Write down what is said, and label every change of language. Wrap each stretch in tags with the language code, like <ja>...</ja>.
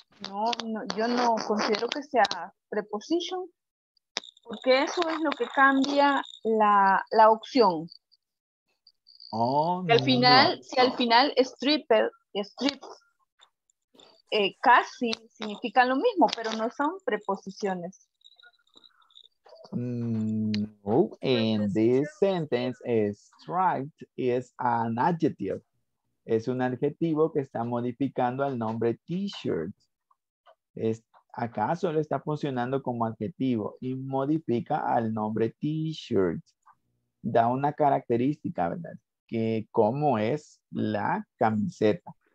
<es>No, yo no considero que sea preposición, porque eso es lo que cambia la opción. Oh, si al final, no. Si al final stripped, casi significan lo mismo, pero no son preposiciones.</es> <en>No, in this sentence, striped is an adjective.</en> <es>Es un adjetivo que está modificando al nombre t-shirt. Acá solo está funcionando como adjetivo y modifica al nombre t-shirt. Da una característica, ¿verdad? Que cómo es la camiseta.</es>